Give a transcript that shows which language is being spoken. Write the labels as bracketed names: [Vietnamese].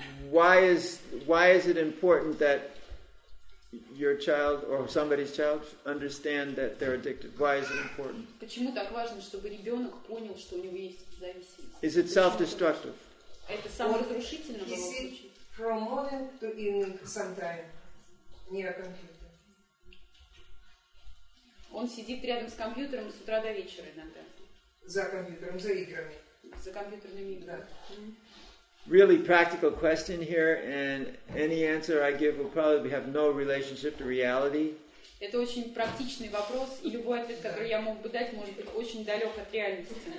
[English] Why is it important that your child or somebody's child understand that they're addicted? Why is it important? [Russian] Почему так важно, чтобы ребенок понял, что у него есть зависимость? [English] Is it self-destructive? [Russian] Это саморазрушительно. [English] Is it promoting to in some time near computer? [Russian] Он сидит рядом с компьютером с утра до вечера иногда. За компьютером, за играми. За компьютерными играми. [English] Really practical question here, and any answer I give will probably have no relationship to reality. [Russian] Это очень практичный вопрос, и любой ответ, который я мог бы дать, может быть очень далек от реальности.